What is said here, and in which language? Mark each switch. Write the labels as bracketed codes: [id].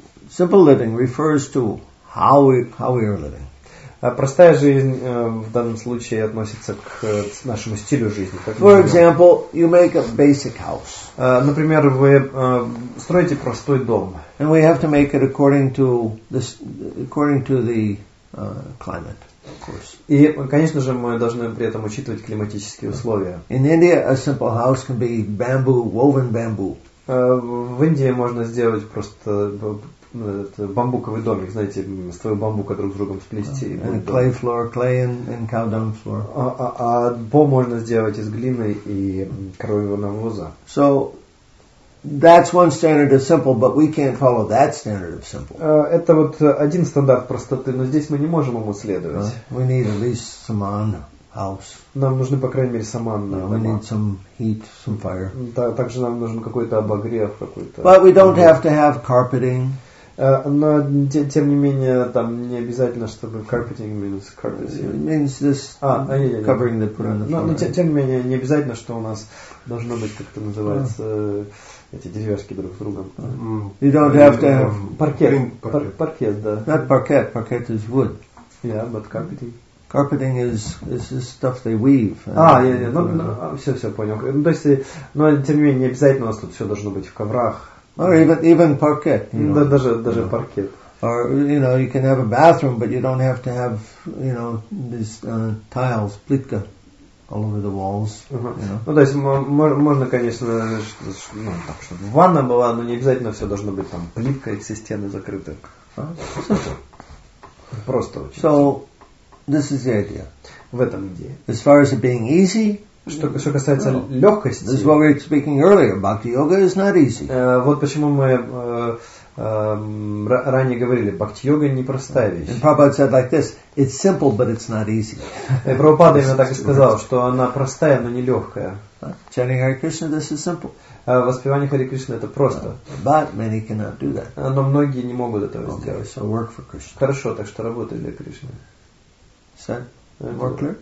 [en] Simple living refers to how we are living. [ru] Простая жизнь в данном случае относится к нашему стилю жизни. [en] For example, you make a basic house. [ru] Например, вы строите простой дом. [en] And we have to make it according to the climate. [ru] И, конечно же, мы должны при этом учитывать климатические условия. [en] In India, a simple house can be bamboo, woven bamboo. [ru] В Индии можно сделать просто бамбуковый домик, знаете, стоит бамбука друг с другом сплести. [en] And clay floor, clay and cow dung floor. [ru] А пол можно сделать из глины и коровьего навоза. [en] So that's one standard of simple, but we can't follow that standard of simple. [ru] Это вот один стандарт простоты, но здесь мы не можем ему следовать. [en] We need at least saman house. [ru] Нам нужны по крайней мере саманные дома. [en] We need some heat, some fire. [ru] Также нам нужен какой-то обогрев какой-то. [en] But we don't have to have carpeting. [ru] Но тем не менее там не обязательно, чтобы [en] carpeting means carpet. Means this covering that put on the floor. [ru] Но тем не менее не обязательно, что у нас должно быть, как это называется, эти деревяшки друг с другом. [en] You don't have to have [ru] паркет. Паркет, да. [en] Not parquet. Parquet is wood. Yeah, but carpeting. Carpeting is the stuff they weave. [ru] Все понял. То есть, но тем не менее не обязательно у нас тут все должно быть в коврах. [en] Or even parquet. [ru] Даже паркет. [en] Or you know you can have a bathroom, but you don't have to have you know these tiles, плитка. All over the walls. [ru] Ну то есть можно, конечно, чтобы ванна была, но не обязательно все должно быть там плиткой, все стены закрыты. Просто очень. [en] So this is the idea. [ru] В этом идея. [en] As far as it being easy. [ru] Что касается легкости. [en] This is what we were speaking earlier. Bhakti yoga is not easy. [ru] Вот почему мы ранее говорили, бхакти-йога не простая вещь. [en] And Prabhupada said like this, it's simple, but it's not easy. [ru] И Прабхупада именно так и сказал, что она простая, но не легкая. [en] Chanting Hare Krishna, this is simple. [ru] Воспевание Хари Кришны это просто. [en] But many cannot do that. [ru] Но многие не могут этого сделать. [en] So work for Krishna. [ru] Хорошо, так что работай для Кришны. [en] Said? More clear?